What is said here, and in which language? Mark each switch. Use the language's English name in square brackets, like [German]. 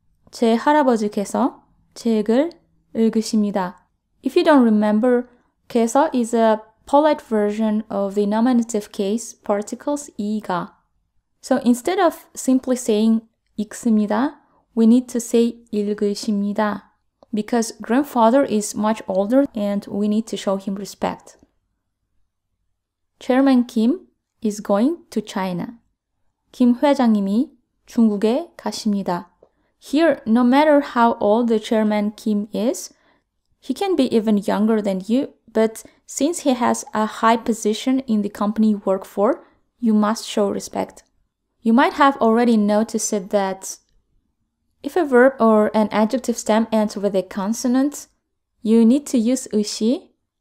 [Korean] 제 할아버지께서 책을 읽으십니다. [English] If you don't remember, 께서 is a polite version of the nominative case particles 이가. So instead of simply saying 읽습니다, we need to say 읽으십니다. Because grandfather is much older and we need to show him respect. Chairman Kim is going to China. [Korean] 김 회장님이 중국에 가십니다. [English] Here, no matter how old the chairman Kim is, he can be even younger than you, but since he has a high position in the company you work for, you must show respect. You might have already noticed that if a verb or an adjective stem ends with a consonant, you need to use 으시,